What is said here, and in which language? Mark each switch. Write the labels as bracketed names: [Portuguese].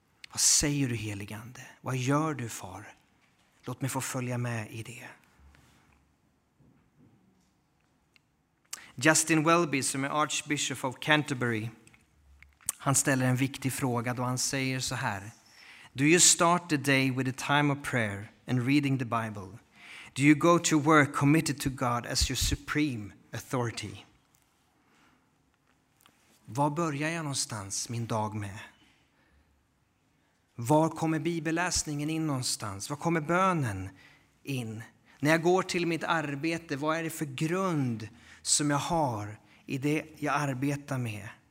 [Swedish] Vad säger du, heligande? Vad gör du, far? Låt mig få följa med i det. Justin Welby, som är Archbishop of Canterbury, han ställer en viktig fråga då han säger så här: [English] Do you start the day with a time of prayer and reading the Bible? Do you go to work committed to God as your supreme authority? [Swedish] Var börjar jag någonstans min dag med? Var kommer bibelläsningen in någonstans? Var kommer bönen in? När jag går till mitt arbete, vad är det för grund som jag har i det jag arbetar med?